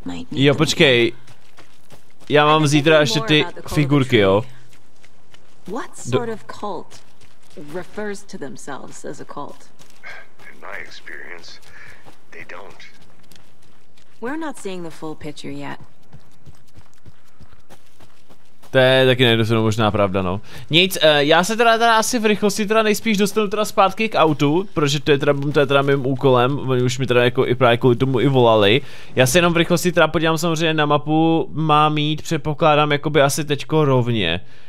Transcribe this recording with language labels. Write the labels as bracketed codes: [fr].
[cs] Jo, počkej. Já mám zítra ještě ty figurky, jo. [en] What sort of cult refers to themselves as a cult? In my experience, they don't. We're not seeing the full picture yet. [cs] To je taky nejdůležitější možná pravda, no. Nic, já se teda asi v rychlosti teda nejspíš dostanu teda zpátky k autu, protože to je teda mým úkolem, oni už mi teda jako i právě kvůli tomu i volali. Já se jenom v rychlosti teda podívám samozřejmě na mapu, mám jít, předpokládám jakoby asi teďko rovně.